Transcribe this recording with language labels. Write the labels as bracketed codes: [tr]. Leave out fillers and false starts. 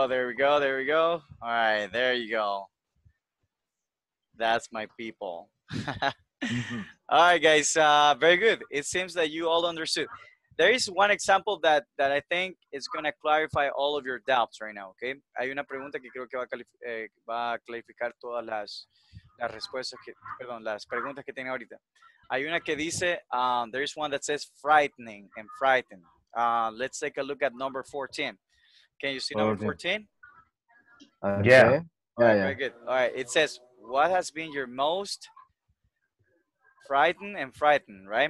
[en] All right, there you go. That's my people. Mm-hmm. All right, guys, very good. It seems that you all understood. There is one example that I think is going to clarify all of your doubts right now, okay? [es] Hay una pregunta que creo que va a clarificar todas las respuestas que, perdón, las preguntas que tiene ahorita. Hay una que dice, [en] there is one that says frightening and frightened. Let's take a look at number 14. Can you see number 14? Yeah. Very good. All right. It says, what has been your most frightened and frightened, right?